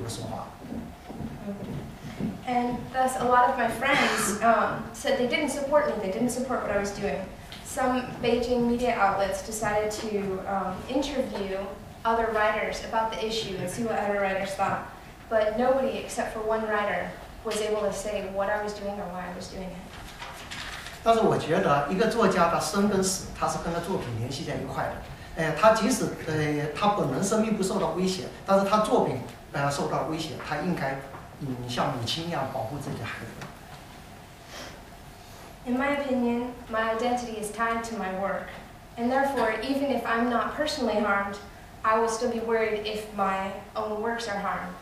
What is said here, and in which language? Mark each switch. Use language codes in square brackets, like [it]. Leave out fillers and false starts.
[zh] 很多作家，我一些很好的作家朋友都不支持我。我记得北京有一家媒体，在对这个事情就请这些作家来替我说话的时候，没有除了《人年科》，没有一个人为我说话。 [en] And thus, a lot of my friends said they didn't support me. They didn't support what I was doing. Some Beijing media outlets decided to interview other writers about the issue and see what other writers thought. But nobody, except for one writer, was able to say what I was doing or why I was doing it. [zh] 但是我觉得一个作家的生跟死，他是跟他作品联系在一块的。他即使他本人生命不受到威胁，但是他作品受到威胁，他应该像母亲一样保护自己的孩子。 [en] In my opinion, my identity is tied to my work, and therefore, even if I'm not personally harmed, I will still be worried if my own works are harmed.